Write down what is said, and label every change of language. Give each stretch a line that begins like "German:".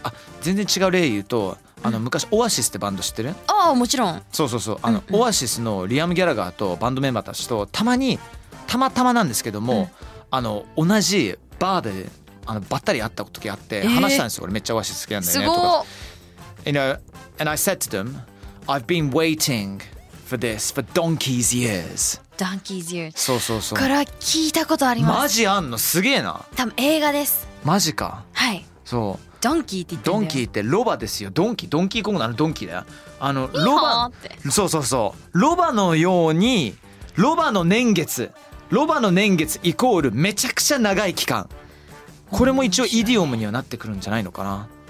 Japanese: あ、全然違う例言うと、あの昔オアシスってバンド知ってる？ああもちろん。そうそうそう。あの、うんうん、オアシスのリアム・ギャラガーとバンドメンバーたちとたまたまなんですけども、うん、あの同じバーであのばったり会った時あって話したんですよ。俺めっちゃオアシス好きなんだよねとか。すごい。
English: And I said to them, I've been waiting for this for donkey's years.
Japanese: ダンキーズ・ユー、そうそうそう、これは聞いたことあります。マジあんの、すげえな。多分映画です。マジか。はい、そう、ドンキーって言ってる。ドンキーってロバですよ。ドンキー、ドンキーコングのあのドンキーだよ。あのロバって、そうそうそう、ロバのように、ロバの年月、ロバの年月イコールめちゃくちゃ長い期間、これも一応イディオムにはなってくるんじゃないのかな。